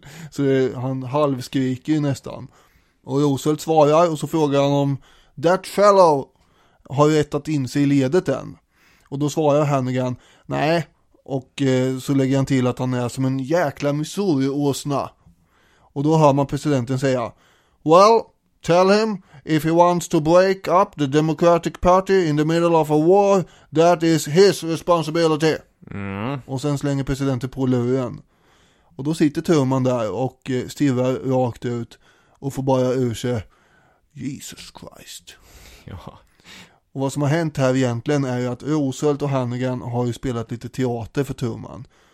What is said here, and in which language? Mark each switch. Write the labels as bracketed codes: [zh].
[sv] Så han halvskriker ju nästan. Och Roosevelt svarar och så frågar han om [en] that fellow [sv] har rätt att inse i ledet än. Och då svarar Hannigan, nej. Och så lägger han till att han är som en jäkla Missouri-åsna. Och då hör man presidenten säga, [en] well, tell him if he wants to break up the Democratic Party in the middle of a war, that is his responsibility. Mm. [sv] Och sen slänger presidenten på luren. Och då sitter Truman där och stirrar rakt ut och får bara ur sig, [en] Jesus Christ. [sv] Ja. Och vad som har hänt här egentligen är ju att Roosevelt och Hannigan har ju spelat lite teater för Truman.